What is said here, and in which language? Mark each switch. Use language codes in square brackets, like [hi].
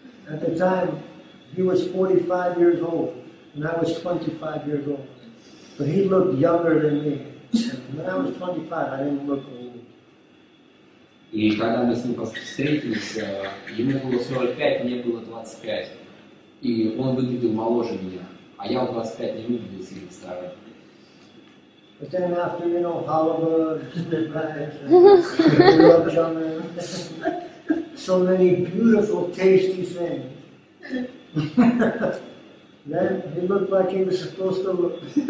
[en] And at the time, he was 45 years old, and I was 25 years old. But he looked younger than me. When I was 25, I didn't look old. [ru] И когда мы с ним встретились, ему было 45, мне было 25. И он выглядел моложе меня. А я в 25 не выглядел сильно старым. [en] But then after, you know, halva, gulab jamun, so many beautiful, tasty things. Then he looked like he was supposed to look.